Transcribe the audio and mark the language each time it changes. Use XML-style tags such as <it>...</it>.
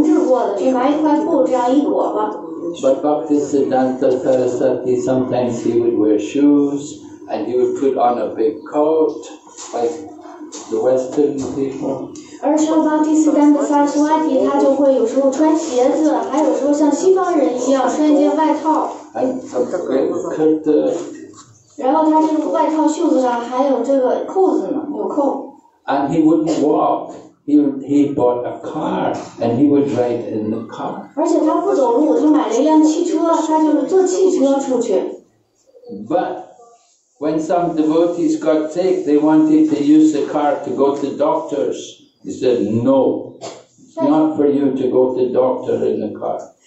<zh>其他的萨杜们都是穿着木头的鞋，就是木屐，然后呢，穿的衣服都是没有缝制过的，就拿一块布这样一裹吧。</zh> <en>But Bhaktisiddhanta Sarasvati, sometimes he would wear shoes, and he would put on a big coat, like the Western people.</en> <zh>而且巴基斯坦的萨斯瓦提，他就会有时候穿鞋子，还有时候像西方人一样穿一件外套。然后他这个外套袖子上还有这个扣子呢，纽扣。</zh> <en>And he wouldn't walk. He bought a car and he would ride in the car.</en> <zh>而且他不走路，他买了一辆汽车，他就是坐汽车出去。</zh> <en>But when some devotees got sick, they wanted to use the car to go to doctors. He said, "No, it's not for you to go to the doctor in the car."</en>